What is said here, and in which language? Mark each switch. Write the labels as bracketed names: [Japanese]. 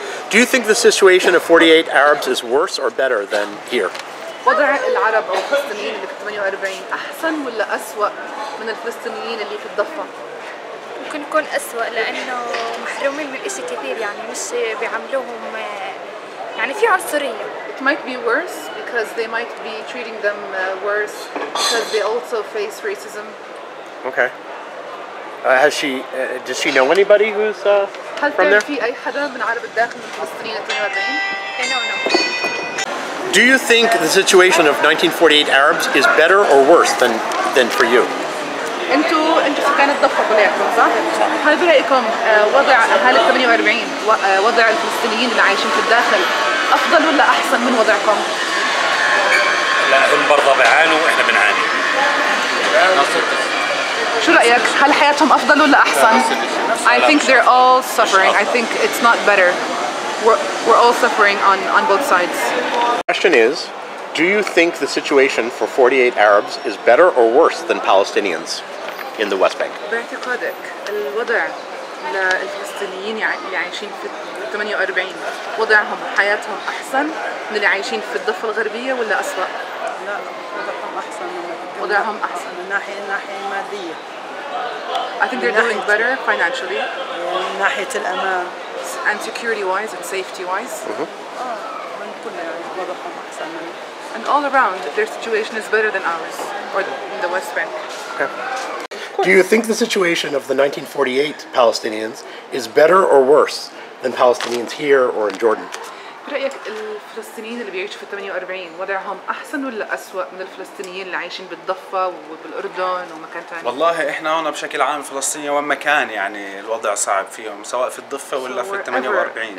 [English] Do you think the situation of 48 Arabs is worse or better than here? [Arabic] وضع العرب أو الفلسطينيين اللي في 48 أحسن ولا أسوأ من الفلسطينيين اللي في الضفة؟ ممكن يكون أسوأ لأنه محرومين من إشي كثير يعني مش بيعملوهم يعني في عنصرية. [English] It might be worse because they might be treating them worse because they also face racism. Okay. Has she? Does she know anybody who's from there? [Arabic] في أي حدا من عرب الداخل من الفلسطينيين في 48؟ [English] No. Do you think the situation of 1948 Arabs is better or worse than for you? [Arabic] انتوا في كانت ضفة كلياتكم صح؟ هل برأيكم وضع أهالي 48 وضع الفلسطينيين اللي عايشين في الداخل أفضل ولا أحسن من وضعكم؟ لا هم برضه بيعانوا احنا بنعاني. شو رأيك؟ هل حياتهم أفضل ولا أحسن؟ [English] I think they're all suffering. I think it's not better. We're all suffering on both sides. The question is, do you think the situation for 48 Arabs is better or worse than Palestinians in the West Bank? [Arabic] باعتقادك الوضع للفلسطينيين اللي عايشين في 48 وضعهم حياتهم أحسن من اللي عايشين في الضفة الغربية ولا أسوأ؟ لا وضعهم أحسن وضعهم أحسن من ناحية مادية. [English] I think they're doing better financially. [Arabic] من ناحية الأمان. [English] And security-wise and safety-wise. Mm-hmm. And all around, their situation is better than ours, or in the West Bank. Okay. Do you think the situation of the 1948 Palestinians is better or worse than Palestinians here or in Jordan? [Arabic] برأيك الفلسطينيين اللي بيعيشوا في 48 وضعهم أحسن ولا أسوأ من الفلسطينيين اللي عايشين بالضفة وبالأردن ومكان تاني؟ والله إحنا هنا بشكل عام فلسطينية وما كان يعني الوضع صعب فيهم سواء في الضفة ولا في 48